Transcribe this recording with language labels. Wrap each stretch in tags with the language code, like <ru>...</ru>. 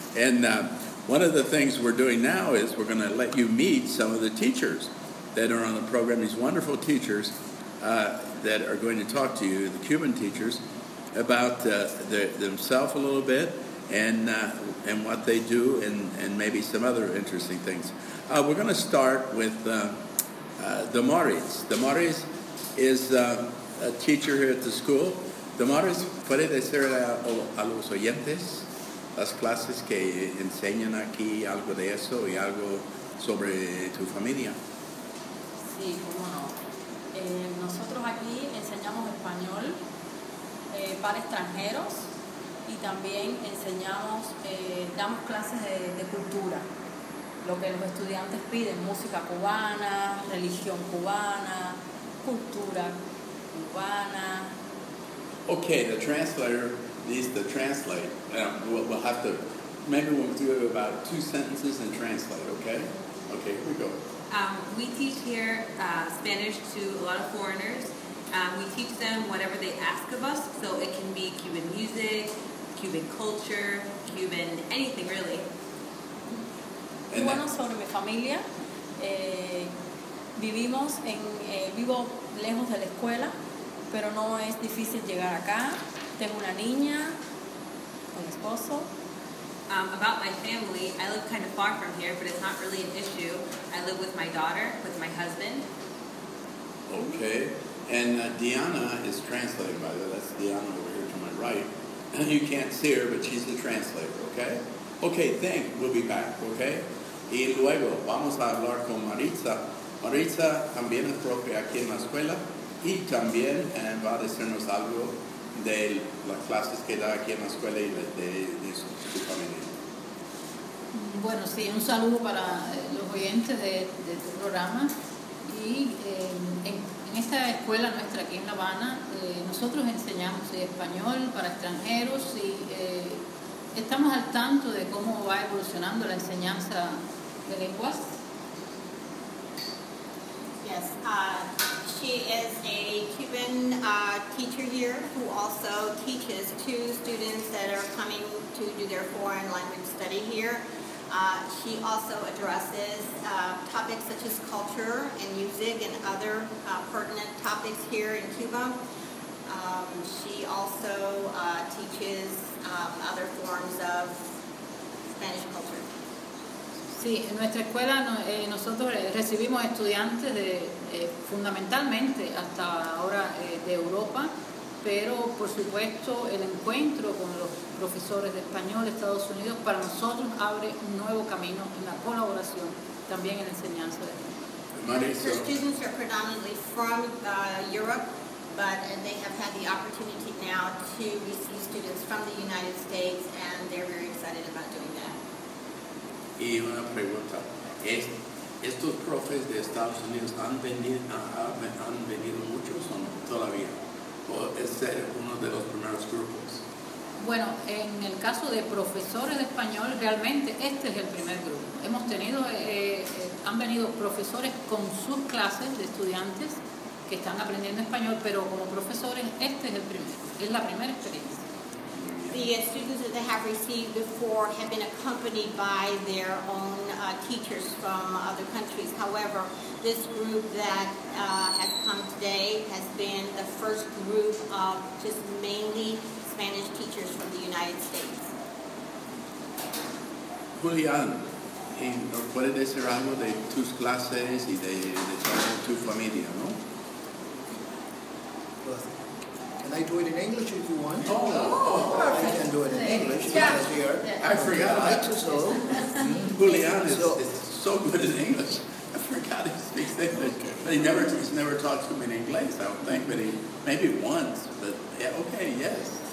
<en>And one of the things we're doing now is we're going to let you meet some of the teachers that are on the program, these wonderful teachers that are going to talk to you, the Cuban teachers, about themselves a little bit and what they do and maybe some other interesting things. We're going to start with Damaris. Damaris is a teacher here at the school.</en> <es>Damaris, ¿puede decir a los oyentes las clases que enseñan aquí algo de eso y algo sobre tu familia? Sí, cómo no. Nosotros aquí enseñamos español para extranjeros y también enseñamos, damos clases de cultura, lo que los estudiantes piden, música cubana, religión cubana, cultura cubana. Okay, the translator needs to translate. We'll have to, maybe we'll do about 2 sentences and translate, okay? Okay, here we go. We teach here Spanish to a lot of foreigners. We teach them whatever they ask of us, so it can be Cuban music, Cuban culture, Cuban anything really. Bueno, sobre mi familia, vivimos en vivo lejos de la escuela, pero no es difícil llegar acá. Tengo una niña, un esposo.</es> <en>About my family, I live kind of far from here, but it's not really an issue. I live with my daughter, with my husband. Okay, and Diana is translating, by the way. That's Diana over here to my right. You can't see her, but she's the translator, okay? Okay, thanks. We'll be back, okay?</en> <es>Y luego vamos a hablar con Maritza. Maritza también es profe aquí en la escuela y también va a decirnos algo de las clases que da aquí en la escuela y de su familia. Bueno, sí, un saludo para los oyentes de este programa. Y en esta escuela nuestra aquí en La Habana, nosotros enseñamos español para extranjeros y estamos al tanto de cómo va evolucionando la enseñanza de lenguas.</es> <en>Yes, she is a Cuban teacher here who also teaches two students that are coming to do their foreign language study here. She also addresses topics such as culture and music and other pertinent topics here in Cuba. She also teaches other forms of Spanish culture.</en> <es>Sí, en nuestra escuela nosotros recibimos estudiantes de fundamentalmente hasta ahora de Europa, pero por supuesto el encuentro con los profesores de español de Estados Unidos para nosotros abre un nuevo camino en la colaboración también en la enseñanza de español.</es> <en>Her students are predominantly from Europe, but they have had the opportunity now to receive students from the United States, and they're very excited about doing that.</en> <es>Y una pregunta, ¿estos profes de Estados Unidos han venido muchos o no todavía? ¿O es ser uno de los primeros grupos? Bueno, en el caso de profesores de español, realmente este es el primer grupo. Hemos tenido, han venido profesores con sus clases de estudiantes que están aprendiendo español, pero como profesores, este es el primero, es la primera experiencia.</es> <en>The students that they have received before have been accompanied by their own teachers from other countries. However, this group that has come today has been the first group of just mainly Spanish teachers from the United States.</en> <es>Julian, ¿puedes decir algo de tus clases y de tu familia, no?</es> <en>Can I do it in English if you want? Oh, I can do it in English. Yeah. Here. I forgot. I like to so. Julian is so good in English. I forgot he speaks English. Okay. But he's never talked to me in English, I don't think. But maybe once. But yeah, okay, yes.</en>